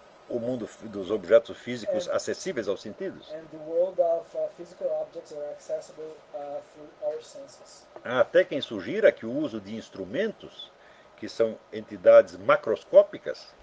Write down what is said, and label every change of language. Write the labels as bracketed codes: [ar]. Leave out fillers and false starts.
[pt] o mundo dos objetos físicos acessíveis aos sentidos. [en] And the world of physical objects are accessible through our senses. [pt] Há até quem sugira que o uso de instrumentos, que são entidades macroscópicas,